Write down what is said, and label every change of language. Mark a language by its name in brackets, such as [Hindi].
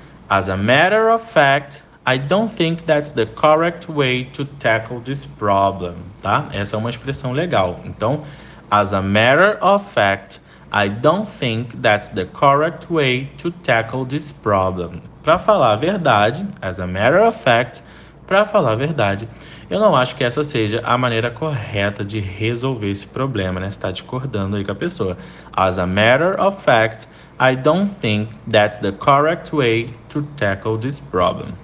[English] As a matter of fact, I don't think that's the correct way to tackle this problem. Tá? [Portuguese] Essa é uma expressão legal. Então, [English] as a matter of fact, I don't think that's the correct way to tackle this problem. [Portuguese] Para falar a verdade, [English] as a matter of fact, [Portuguese] para falar a verdade, eu não acho que essa seja a maneira correta de resolver esse problema, né? Você está discordando aí com a pessoa. [English] As a matter of fact, I don't think that's the correct way to tackle this problem.